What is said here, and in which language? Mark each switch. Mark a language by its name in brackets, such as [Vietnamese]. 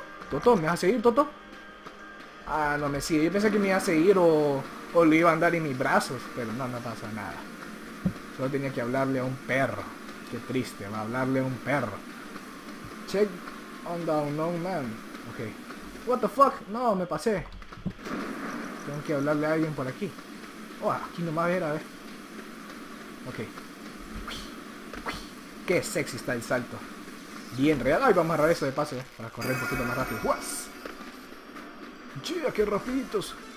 [Spanish] Toto, ¿me vas a seguir, Toto? Ah, no me sigue. Yo pensé que me iba a seguir o lo iba a andar en mis brazos. Pero no, no pasa nada. Solo tenía que hablarle a un perro. Qué triste, va a hablarle a un perro. [English] Check on the unknown man. Ok. What the fuck? [Spanish] No, me pasé. Tengo que hablarle a alguien por aquí. Oh, aquí nomás era, a ver. Ok. Qué sexy está el salto. Bien real. Ay, vamos a amarrar eso de paso, ¿eh? Para correr un poquito más rápido. ¡Guas! Yeah, qué rapiditos.